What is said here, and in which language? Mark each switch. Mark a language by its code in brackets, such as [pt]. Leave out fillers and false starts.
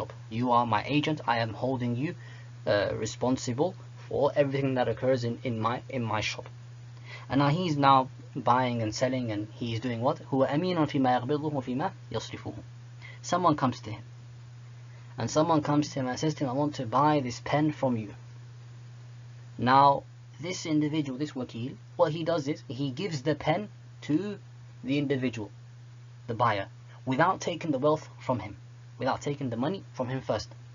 [en] You are my agent. I am holding you responsible for everything that occurs in my shop. And now he's now buying and selling, and he's doing what? [ar] هو أمين فيما يقبضه وفيما يصرفه. [en] Someone comes to him and says to him, I want to buy this pen from you. Now this individual, this wakil, what he does is he gives the pen to the individual, the buyer, without taking the wealth from him, without taking the money from him first.